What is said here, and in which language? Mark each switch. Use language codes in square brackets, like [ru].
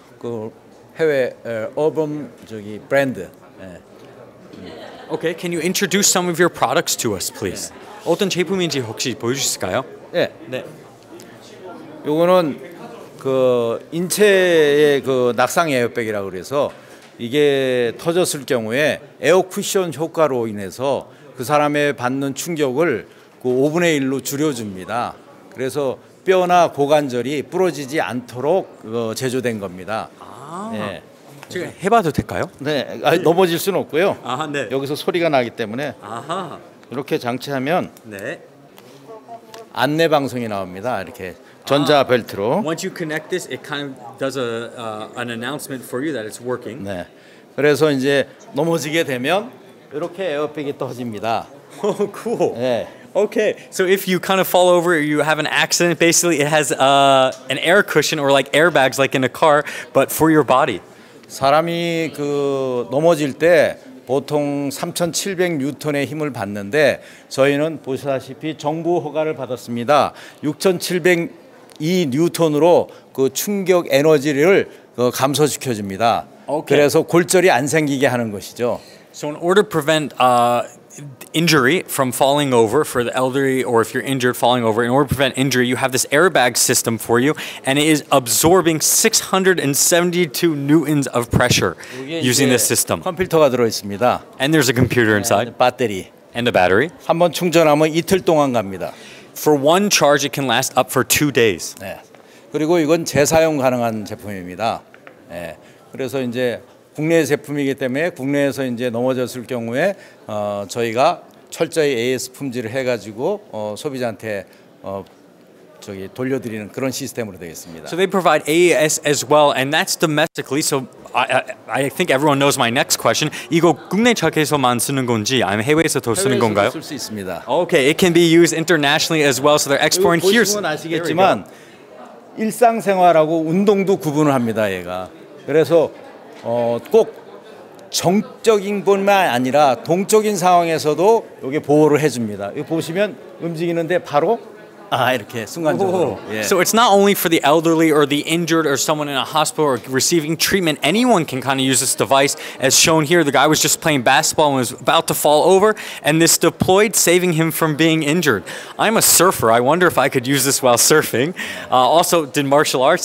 [ko] 그 해외 어범 저기 브랜드. [en] Okay, can you introduce some of your products to us, please? [ko] 네. 어떤 제품인지 혹시 보여주실까요? 네. 네. 요거는 그 인체의 그 낙상 에어백이라고 그래서 이게 터졌을 경우에 에어쿠션 효과로 인해서 그 사람의 받는 충격을 그 5분의 1로 줄여줍니다. 그래서 뼈나 고관절이 부러지지 않도록 제조된 겁니다. 아. 네. 지금 해봐도 될까요? 네, 아니, 넘어질 수는 없고요. 아하, 네. 여기서 소리가 나기 때문에 아하. 이렇게 장치하면 네. 안내 방송이 나옵니다. 이렇게 전자 아, 벨트로. [en] Once you connect this, it kind of does an announcement for you that it's working. [ko] 네, 그래서 이제 넘어지게 되면 이렇게 에어백이 떠집니다. [en] Oh, cool. [ko] 네. [en] Okay, so if you kind of fall over, you have an accident. Basically, it has an air cushion or like airbags, like in a car, but for your body. [ko] 사람이 그 넘어질 때 보통 3,700N의 힘을 받는데 저희는 보시다시피 정부 허가를 받았습니다. 6,702N으로 그 충격 에너지를 그 감소시켜 줍니다. [en] Okay. [ko] 그래서 골절이 안 생기게 하는 것이죠. [en] So in order to prevent injury from falling over for the elderly or if you're injured falling over, in order to prevent injury, you have this airbag system for you and it is absorbing 672 newtons of pressure using this system. [ko] 컴퓨터가 들어 있습니다. [en] And there's a computer inside. [ko] 배터리. [en] And a battery. [ko] 한번 충전하면 이틀 동안 갑니다. [en] For one charge, it can last up for 2 days. [ko] 네. 그리고 이건 재사용 가능한 제품입니다. 네. 그래서 이제 국내 제품이기 때문에 국내에서 이제 넘어졌을 경우에 저희가 철저히 AS 품질을 해가지고 소비자한테 저기 돌려드리는 그런 시스템으로 되겠습니다. [en] So they provide AS as well, and that's domestically. So I think everyone knows my next question. [ko] 이거 국내 차계에서만 쓰는 건지 아니면 해외에서도 쓰는 건가요? 해외에서도 쓸 수 있습니다. [en] Okay, it can be used internationally as well. So they're exporting here. [ko] 보시면 아시겠지만 일상생활하고 운동도 구분을 합니다. 얘가 그래서 꼭 정적인 것만 아니라 동적인 상황에서도 이게 보호를 해줍니다. 이거 보시면 움직이는데 바로 아 이렇게 순간적으로. [en] Oh. Yeah. So it's not only for the elderly or the injured or someone in a hospital or receiving treatment. Anyone can kind of use this device, as shown here. The guy was just playing basketball and was about to fall over, and this deployed, saving him from being injured. I'm a surfer. I wonder if I could use this while surfing. Also, did martial arts.